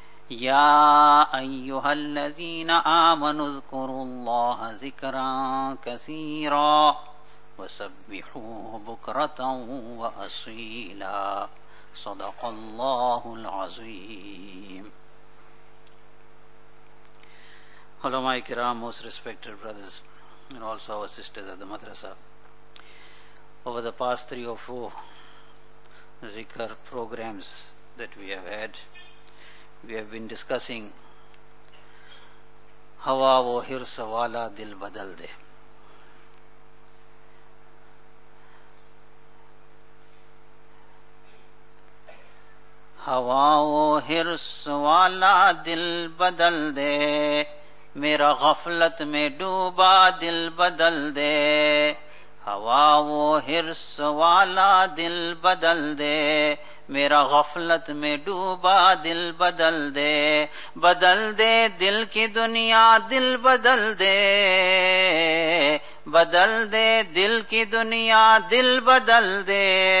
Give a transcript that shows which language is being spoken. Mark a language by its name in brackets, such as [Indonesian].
[Arabic] يا أيها الذين آمنوا اذكروا الله ذكرا كثيرا وسبحوه بكرة وأصيلا صدق الله العظيم. علماء الكرام, [English] most respected brothers and also our sisters at the madrasa, over the past 3 or 4 zikr programs that we have had, we have been discussing [Urdu] hawa wo hirs wala dil badal de. Hawa wo hirs wala dil badal de, میرا غفلت میں ڈوبا دل بدل دے. ہوا وہ حرص والا دل بدل دے, میرا غفلت میں ڈوبا دل بدل دے. بدل دے دل کی دنیا دل بدل دے, بدل دے دل کی دنیا دل بدل دے.